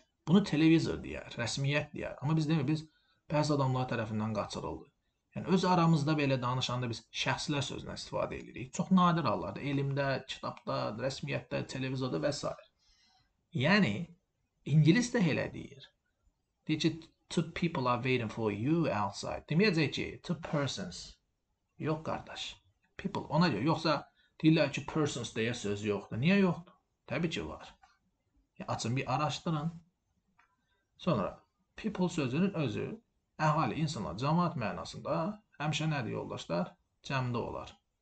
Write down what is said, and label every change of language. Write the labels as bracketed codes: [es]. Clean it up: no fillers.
[az] Bunu televizor deyər, rəsmiyyət deyər. Amma biz demək, biz bəzi adamlar tərəfindən qaçırıldı. Yəni öz aramızda belə danışanda biz şəxslər sözünə istifadə edirik. Çox nadir hallarda elmdə, kitabda, rəsmiyyətdə, televizorda və s. Yəni ingilis də elə deyir. Deyir ki, [en] two people are waiting for you outside. [az] Deməyəcək ki, [en] two persons. [az] Yox qardaş. People ona görə. Yoxsa deyirlər ki, persons deyə söz yoxdur. Niyə yoxdur? Təbii ki, var. Ya, açın bir araşdırın. Sonra people sözünün özü əhali, insanlar, cəmaat mənasında həmişə nədir yoldaşlar? Cəmdə olar.